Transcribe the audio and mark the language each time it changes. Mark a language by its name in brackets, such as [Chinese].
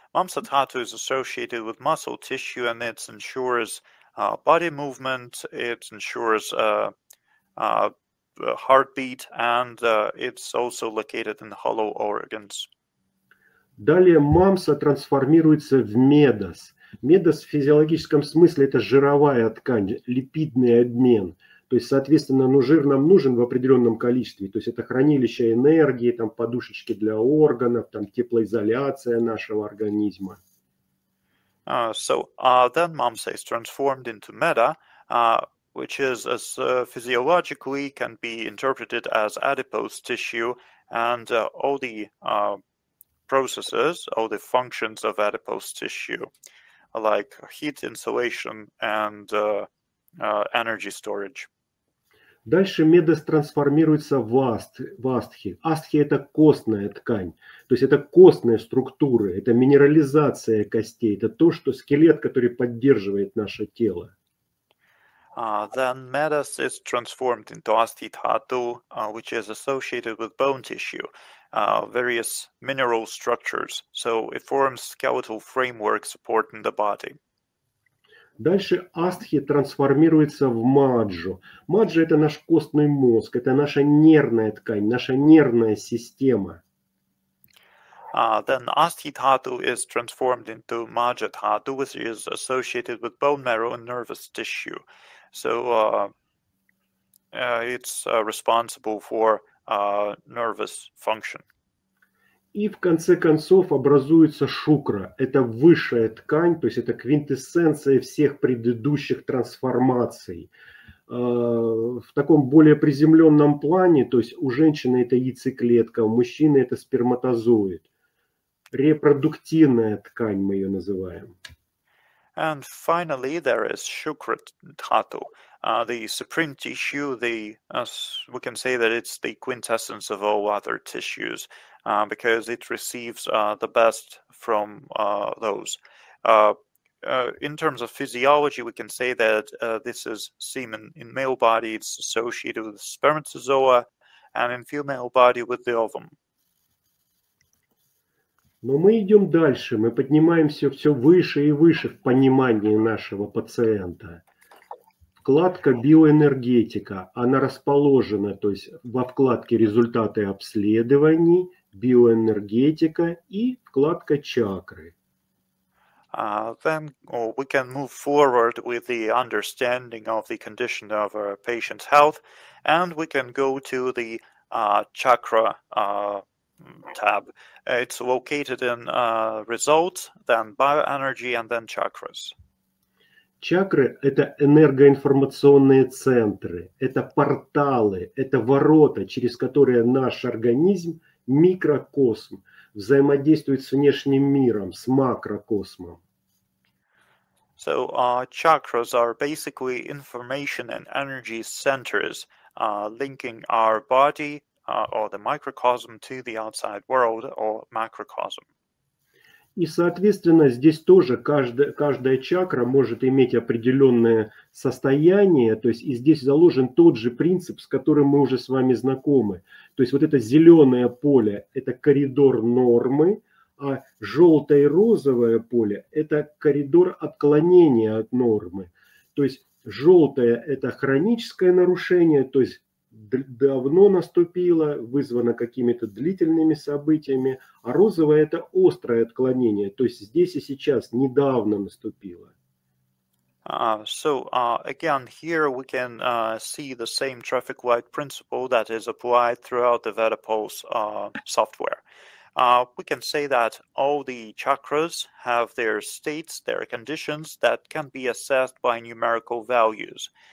[English] Mamsa tato is associated with muscle tissue and it ensures body movement, it ensures heartbeat, and it's also located in hollow organs. [Russian] Далее мамса трансформируется в медос. Медос в физиологическом смысле это жировая ткань, липидный обмен. То есть, соответственно, ну, жир нам нужен в определенном количестве. То есть это хранилище энергии, там подушечки для органов, там теплоизоляция нашего организма. [English] Then mamsa is transformed into meta, which is as physiologically can be interpreted as adipose tissue, and all the processes, all the functions of adipose tissue, like heat insulation and energy storage. [Russian] Дальше медос трансформируется в астхи. Астхи – это костная ткань. То есть это костные структуры, это минерализация костей, это то, что скелет, который поддерживает наше тело. [English] Then metas is transformed into asti dhatu, which is associated with bone tissue, various mineral structures. So it forms skeletal framework support in the body. [Russian] Дальше астхи трансформируется в маджу. Маджа – это наш костный мозг, это наша нервная ткань, наша нервная система. [English] Then asthi dhatu is transformed into majja dhatu, which is associated with bone marrow and nervous tissue. So it's responsible for nervous function. [Russian] И в конце концов образуется шукра. Это высшая ткань, то есть это квинтэссенция всех предыдущих трансформаций. В таком более приземленном плане, то есть у женщины это яйцеклетка, у мужчины это сперматозоид. Репродуктивная ткань мы ее называем. [English] And finally, there is shukra dhatu, the supreme tissue. We can say that it's the quintessence of all other tissues, because it receives the best from those. In terms of physiology, we can say that this is semen in male body. It's associated with spermatozoa, and in female body with the ovum. [Russian] Но мы идем дальше, мы поднимаемся все выше и выше в понимании нашего пациента. Вкладка биоэнергетика, она расположена, то есть во вкладке результаты обследований, биоэнергетика и вкладка чакры. [English] Then we can move forward with the understanding of the condition of our patient's health, and we can go to the chakra tab. It's located in results, then bioenergy, and then chakras. [Russian] Чакры – это энергоинформационные центры, это порталы, это ворота, через которые наш организм, микрокосм, взаимодействует с внешним миром, с макрокосмом. [English] So chakras are basically information and energy centers linking our body or the microcosm to the outside world, or macrocosm. [Russian] И, соответственно, здесь тоже каждая чакра может иметь определенное состояние, то есть и здесь заложен тот же принцип, с которым мы уже с вами знакомы. То есть вот это зеленое поле – это коридор нормы, а желтое и розовое поле – это коридор отклонения от нормы. То есть желтое – это хроническое нарушение, то есть давно наступило, вызвано какими-то длительными событиями, а розовое – это острое отклонение, то есть здесь и сейчас, недавно наступило. [English] Again, here we can see the same traffic light principle that is applied throughout the VedaPulse software. We can say that all the chakras have their states, their conditions that can be assessed by numerical values.